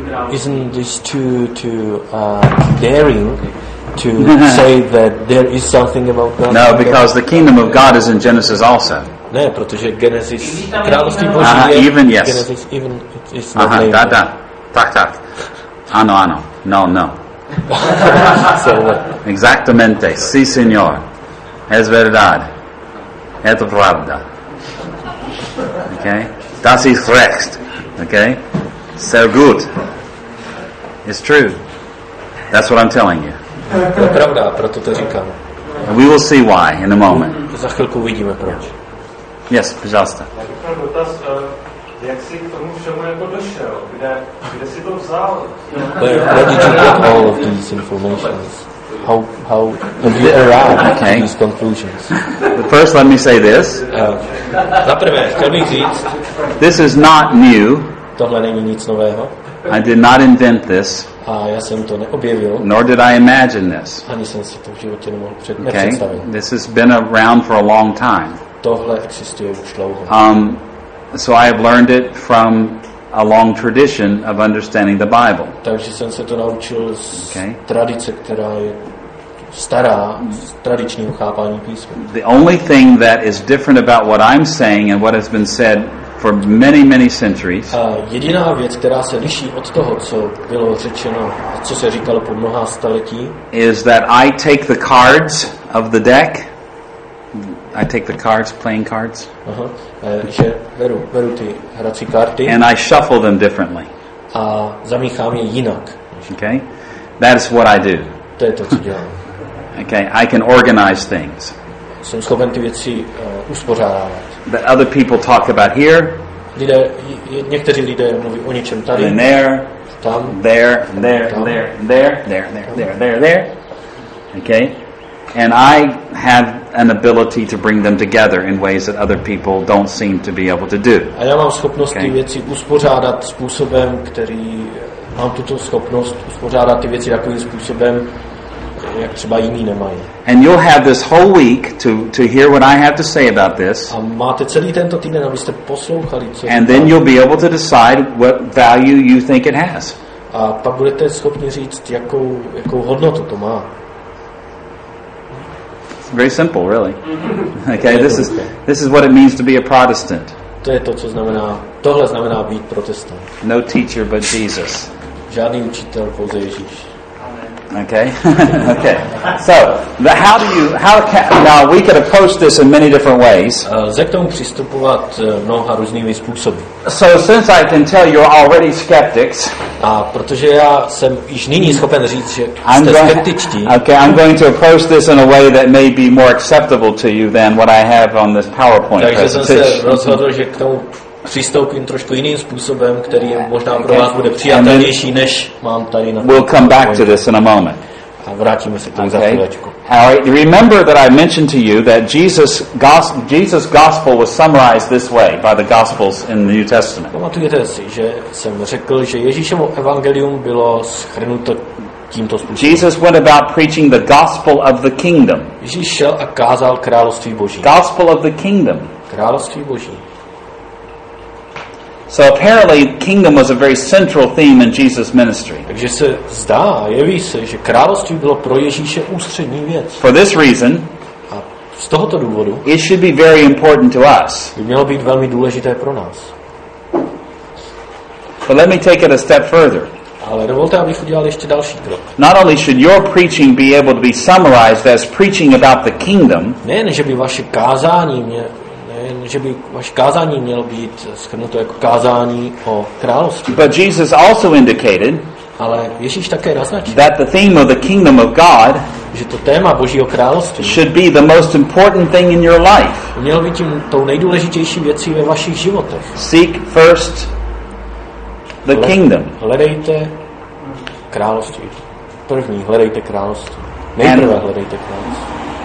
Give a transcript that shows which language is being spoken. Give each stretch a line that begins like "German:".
English: Isn't this too daring to say that there is something about God? No, because the kingdom of God is in Genesis also.
Czech: Ne, protože Genesis, království Boží je
English: even, yes. Genesis, even it's not named.
Czech: Tak. Ano. No.
English: So,
Spanish: exactamente. Sí, señor. Es verdad. Es verdad. Okay?
German: Das ist recht.
Spanish: Okay?
German: Sehr gut.
English: It's true. That's what I'm telling you.
Czech: Je pravda, proto to říkám.
English: We will see why in a moment.
Czech: za chvilku uvidíme proč.
English: Yes, pžasta.
Czech: Já bych měl dotaz, jak jsi k tomu všemu jako došel? Kde jsi to vzal?
English: Where did you get all of these informations? How did you arrive to these conclusions? But first, let me say this.
Czech: Zaprvé, chtěl bych říct.
English: This is not new.
Czech: Tohle není nic nového.
English: I did not invent this.
Czech: A já jsem to neobjevil.
English: Nor did I imagine this.
Czech: Ani jsem si to v životě nemohl nepředstavit.
English: This has been around for a long time.
Czech: Tohle existuje už dlouho.
English: So I have learned it from a long tradition of understanding the Bible.
Czech: Takže jsem se to naučil z tradice, která je stará, z tradičního chápání písma.
English: The only thing that is different about what I'm saying and what has been said for many, many centuries.
Czech: A jediná věc, která se liší od toho, co bylo řečeno, a co se říkalo po mnoha staletí,
English: is that I take the cards of the deck. I take the cards, playing cards.
Czech: Že beru ty hrací karty.
English: And I shuffle them differently.
Czech: A zamíchám je jinak.
English: Okay, that's what I do.
Czech: To je to, co dělám.
English: Okay, I can organize things.
Czech: Jsem schopen ty věci uspořádávat.
English: That other people talk about here.
Czech: Lidé, někteří lidé mluví o něčem tady.
English: And there.
Czech: Tam.
English: There. There.
Czech: Tam.
English: There. There. There. There. There. There. Okay. And I have an ability to bring them together in ways that other people don't seem to be able to do.
Czech: A já mám schopnost ty věci uspořádat způsobem, který mám tuto schopnost uspořádat ty věci takovým způsobem, jak třeba jiní nemají.
English: And you'll have this whole week to hear what I have to say about this.
Czech: A máte celý tento týden, abyste poslouchali, co.
English: And then you'll be able to decide what value you think it has.
Czech: A pak budete schopni říct, jakou hodnotu to má.
English: Very simple, really. Okay, this is what it means to be a Protestant.
Czech: To je to, co znamená, tohle znamená být protestant.
English: No teacher but Jesus.
Czech: Žádný učitel, pouze Ježíš.
English: Okay. Okay. So, how we could approach this in many different ways.
Czech: Lze k tomu přistupovat mnoha různými způsoby.
English: So since I can tell you're already skeptics.
Czech: A protože já jsem již nyní schopen říct, že jste skeptičtí.
English: Okay, I'm going to approach this in a way that may be more acceptable to you than what I have on this PowerPoint.
Czech: Takže jsem se rozhodl, že k tomu přistoupím trošku jiným způsobem, který možná pro vás bude přijatelnější, než mám tady na.
English: We'll come back to this in a moment.
Czech: A vrátíme se k tomu za chvíličku.
English: All right, remember that I mentioned to you that Jesus' gospel was summarized this way by the gospels in the New Testament.
Czech: Pamatujete si, že jsem řekl, že Ježíšovo evangelium bylo shrnuto tímto způsobem.
English: Jesus went about preaching the gospel of the kingdom.
Czech: Ježíš šel a kázal království Boží.
English: Gospel of the kingdom.
Czech: Království Boží.
English: So apparently kingdom was a very central theme in Jesus' ministry.
Czech: Takže se zdá, jeví se, že království bylo pro Ježíše ústřední věc.
English: For this reason,
Czech: a z tohoto důvodu,
English: it should be very important to us.
Czech: By mělo být velmi důležité pro nás.
English: But let me take it a step further.
Czech: Ale dovolte, abych udělal ještě další krok.
English: Not only should your preaching be able to be summarized as preaching about the kingdom,
Czech: nejen, že by vaše kázání že by vaše kázání mělo být shrnuto jako kázání o království.
English: But Jesus also indicated,
Czech: ale Ježíš také naznačil,
English: that the theme of the kingdom of God,
Czech: že to téma Božího království,
English: should be the most important thing in your life.
Czech: Mělo být tím tou nejdůležitější věcí ve vašich životech.
English: Seek first the kingdom.
Czech: Hledejte království. První hledejte království. Nejprve hledejte království.